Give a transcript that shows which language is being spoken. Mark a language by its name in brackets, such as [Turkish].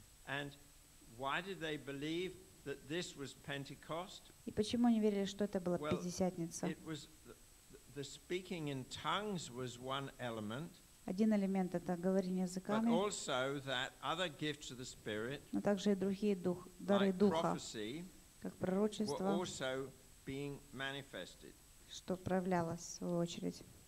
[English] And why did they believe that this was Pentecost? [Russian] И почему они верили, что это была пятидесятница? [English] It was the speaking in tongues was one element. [Russian] Один элемент — это говорение языками. [English] But also that other gifts of the Spirit. [Russian] Но также и другие дары духа. Как пророчество. [English] Were also being manifested. [Russian] Что проявлялось в свою очередь.